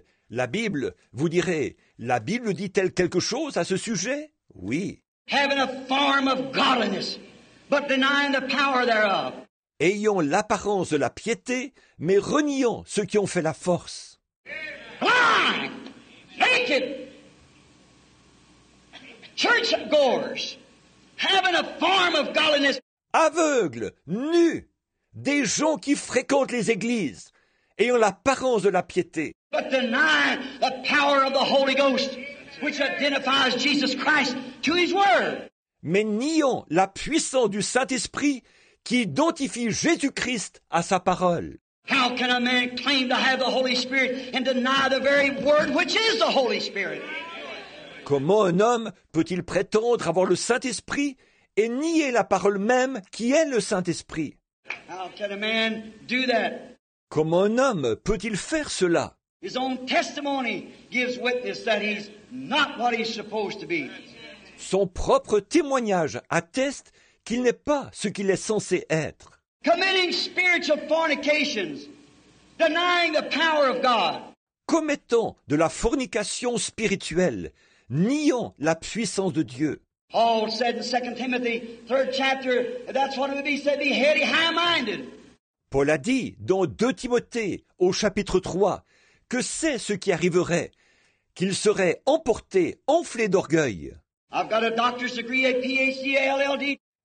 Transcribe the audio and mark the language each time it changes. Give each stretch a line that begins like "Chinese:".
French: La Bible, vous direz, la Bible dit-elle quelque chose à ce sujet? Oui.
English: Having a form of godliness, but denying the power thereof.
French: Ayant l'apparence de la piété, mais reniant ceux qui ont fait la force.
English: Blind, naked, churchgoers, having a form of godliness.
French: Aveugles, nus, des gens qui fréquentent les églises, ayant l'apparence de la piété.
English: But deny the power of the Holy Ghost, which identifies Jesus Christ to His Word.
French: Mais niant la puissance du Saint-Esprit qui identifie Jésus-Christ à sa parole.
English: How can a man claim to have the Holy Spirit and deny the very Word which is the Holy Spirit?
French: Comment un homme peut-il prétendre avoir le Saint-Esprit et nier la parole même qui est le Saint-Esprit?
English: How can a man do that?
French: Comment un homme peut-il faire cela?
English: His own testimony gives witness that he's not what he's supposed to be.
French: Son propre témoignage atteste qu'il n'est pas ce qu'il est censé être.
English: Committing spiritual fornications, denying the power of God.
French: Commettant de la fornication spirituelle, niant la puissance de Dieu.
English: Paul said in 2 Timothy, 3rd chapter, that's what it would be, said, be heady, high-minded.
French: Paul a dit dans 2 Timothée, au chapitre 3, que c'est ce qui arriverait, qu'il serait emporté, enflé d'orgueil.
English: I've got a doctor's degree, a PhD, a LLD.